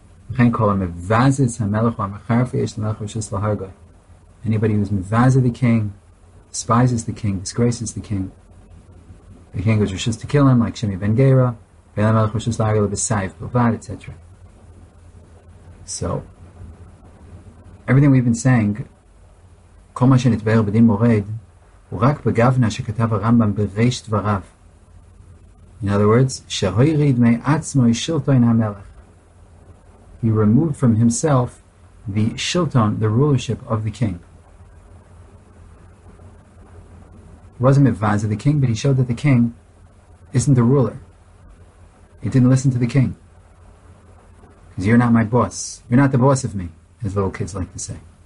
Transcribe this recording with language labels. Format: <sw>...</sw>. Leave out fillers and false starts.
<en>We can call him Mevazet HaMelech HaMecharfei Yesh HaMelech Rishus LaHargoi. Anybody who is Mevazet the king, despises the king, disgraces the king goes Rishus to kill him, like Shemi Ben Gera, etc. So, everything we've been saying,</en> <he>כל מה שנתבר בדין מורד, הוא רק בגוונה שכתב הרמב״ם בריש דבריו.</he> <en>In other words,</en> <he>שהויריד מעצמו שלטון המלך.</he> <en>He removed from himself the shilton, the rulership of the king. He wasn't מבז of the king, but he showed that the king isn't the ruler. He didn't listen to the king. Because you're not my boss. You're not the boss of me, as little kids like to say.</en>